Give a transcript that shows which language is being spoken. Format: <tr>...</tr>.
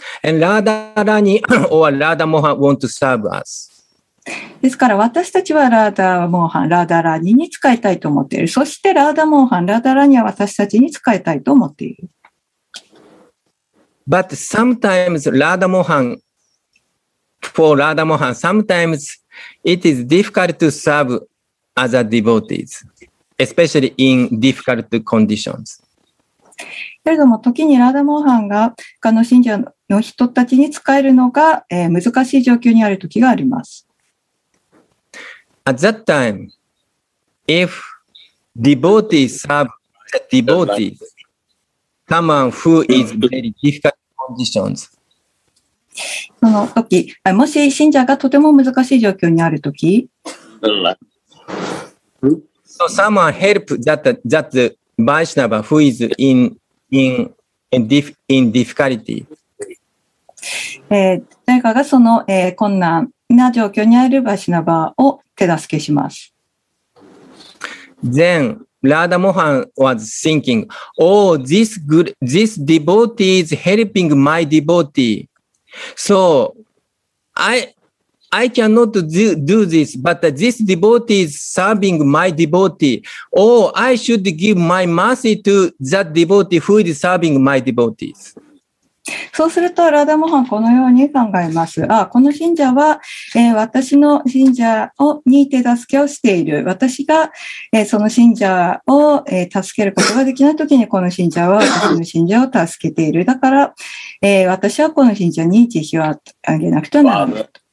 <en>And Radha Rani or Radha Mohan want to serve us.</en> <ja>ですから私たちはラーダモーハン、ラーダラニに使いたいと思っている。そしてラーダモーハン、ラーダラニは私たちに使いたいと思っている。</ja> <en>But sometimes Radha Mohan, for Radha Mohan, sometimes it is difficult to serve other devotees. Especially in difficult conditions.</en> <ja>けれども時にラダモーハンが他の信者の人たちに使えるのが、難しい状況にある時があります。</ja> <en>At that time, if devotees serve the devotees, someone who is very difficult conditions.</en> <ja>その時、もし信者がとても難しい状況にある時。</ja> <en>So someone help that the Vaishnava who is in difficulty.</en> <ja>誰かがその、困難な状況にあるバイシナバを手助けします。</ja> <en>Then Radha Mohan was thinking, oh, this devotee is helping my devotee. So I cannot do this, but this devotee is serving my devotee. Oh, I should give my mercy to that devotee who is serving my devotees.</en> <ja>そうすると、ラダモハンこのように考えます。あ、この信者は、私の信者をに手助けをしている。私が、その信者を、助けることができないときに、この信者は私の信者を助けている。だから、私はこの信者に慈悲をあげなくてはならない。</ja>